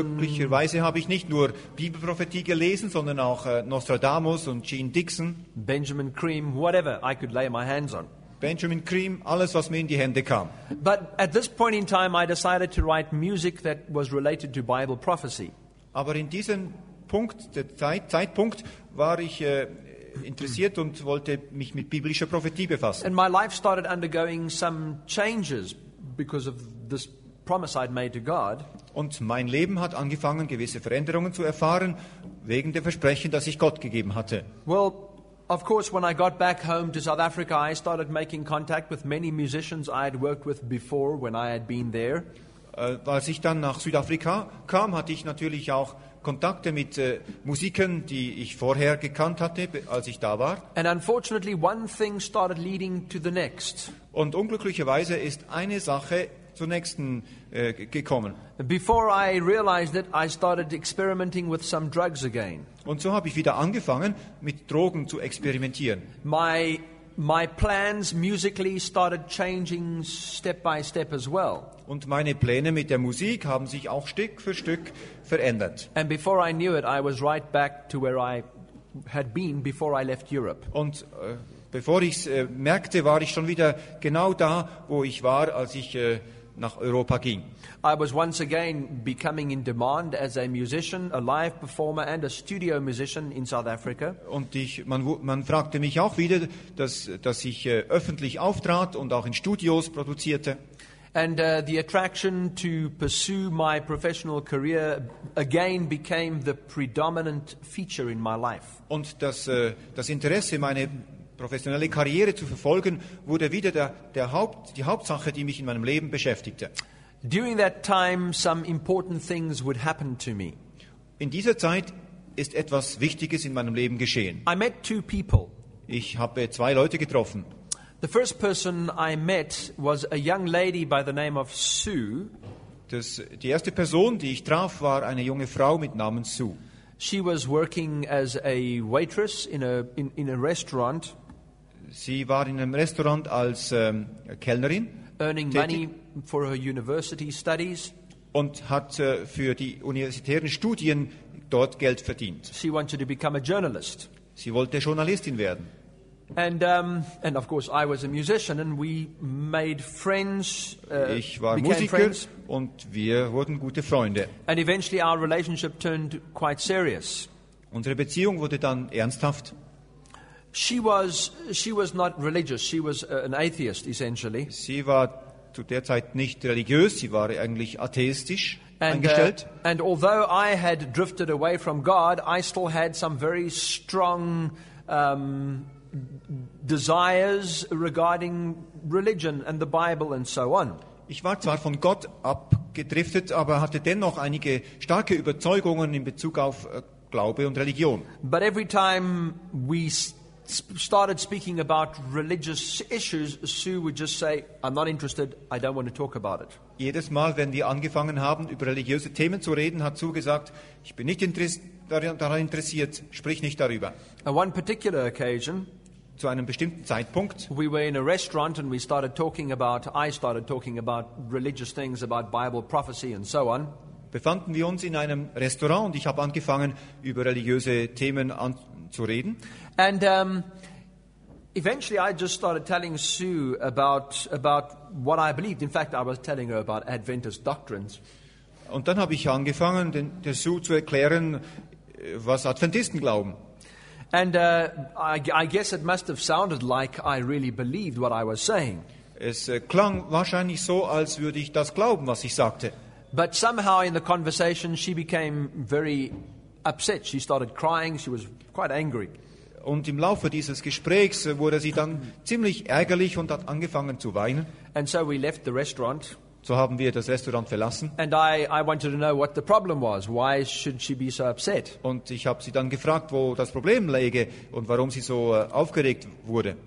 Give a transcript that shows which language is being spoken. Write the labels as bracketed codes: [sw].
[de] Unglücklicherweise habe ich nicht nur Bibelprophetie gelesen, sondern auch Nostradamus und Gene Dixon. [en] Benjamin Cream, whatever I could lay my hands on. [de] Benjamin Cream, alles, was mir in die Hände kam. [en] But at this point in time, I decided to write music that was related to Bible prophecy. [de] Aber in diesem Punkt, der Zeitpunkt, war ich interessiert und wollte mich mit biblischer Prophetie befassen. [en] And my life started undergoing some changes because of this promise I'd made to God. [de] Und mein Leben hat angefangen, gewisse Veränderungen zu erfahren, wegen der Versprechen, das ich Gott gegeben hatte. [en] Well, of course, when I got back home to South Africa, I started making contact with many musicians I had worked with before when I had been there. [de] Als ich dann nach Südafrika kam, hatte ich natürlich auch Kontakte mit Musikern, die ich vorher gekannt hatte, als ich da war. [en] And unfortunately, one thing started leading to the next. [de] Und unglücklicherweise ist eine Sache zur nächsten gekommen. [en] Before I realized it, I started experimenting with some drugs again. [de] Und so habe ich wieder angefangen, mit Drogen zu experimentieren. [en] My plans musically started changing step by step as well. [de] Und meine Pläne mit der Musik haben sich auch Stück für Stück verändert. [en] And before I knew it, I was right back to where I had been before I left Europe. [de] Und bevor ich's merkte, war ich schon wieder genau da, wo ich war, als ich nach Europa ging. [en] I was once again becoming in demand as a musician, a live performer and a studio musician in South Africa. [de] Und man fragte mich auch wieder, dass ich öffentlich auftrat und auch in Studios produzierte. [en] And the attraction to pursue my professional career again became the predominant feature in my life. [de] Und das Interesse, meine professionelle Karriere zu verfolgen, wurde wieder die Hauptsache, die mich in meinem Leben beschäftigte. [en] During that time, some important things would happen to me. [de] In dieser Zeit ist etwas Wichtiges in meinem Leben geschehen. [en] I met two people. [de] Ich habe zwei Leute getroffen. [en] The first person I met was a young lady by the name of Sue. [de] Die erste Person, die ich traf, war eine junge Frau mit Namen Sue. [en] She was working as a waitress in a restaurant. [de] Sie war in einem Restaurant als Kellnerin. [en] Earning money for her university studies. [de] Und hat für die universitären Studien dort Geld verdient. [en] She wanted to become a journalist. [de] Sie wollte Journalistin werden. [en] And of course I was a musician and we made friends. [de] Ich war Musiker [en] friends. [de] Und wir wurden gute Freunde. [en] And eventually our relationship turned quite serious. [de] Unsere Beziehung wurde dann ernsthaft. [en] She was not religious. She was an atheist essentially. [de] Sie war zu der Zeit nicht religiös. Sie war eigentlich atheistisch eingestellt. [en] And although I had drifted away from God, I still had some very strong desires regarding religion and the Bible and so on. [de] Ich war zwar von Gott abgedriftet, aber hatte dennoch einige starke Überzeugungen in Bezug auf Glaube und Religion. [en] But every time we started speaking about religious issues, Sue would just say, I'm not interested, I don't want to talk about it. [de] Jedes Mal, wenn wir angefangen haben, über religiöse Themen zu reden, hat Sue gesagt, ich bin nicht daran interessiert, sprich nicht darüber. [en] On one particular occasion, [de] zu einem bestimmten Zeitpunkt, [en] we were in a restaurant and I started talking about religious things, about Bible prophecy and so on. [de] Befanden wir uns in einem Restaurant und ich habe angefangen, über religiöse Themen anzureden. [en] And eventually I just started telling Sue about what I believed. In fact, I was telling her about Adventist doctrines. [de] Und dann habe ich angefangen, der Sue zu erklären, was Adventisten glauben. [en] And I guess it must have sounded like I really believed what I was saying. [de] Es klang wahrscheinlich so, als würde ich das glauben, was ich sagte. [en] But somehow in the conversation she became very upset. She started crying. She was quite angry. [de] Und im Laufe dieses Gesprächs wurde sie dann ziemlich ärgerlich und hat angefangen zu weinen. [en] And so we left the restaurant. [de] So haben wir das Restaurant verlassen. [en] And I wanted to know what the problem was. Why should she be so upset? [de] Und ich habe sie dann gefragt, wo das Problem läge und warum sie so aufgeregt wurde.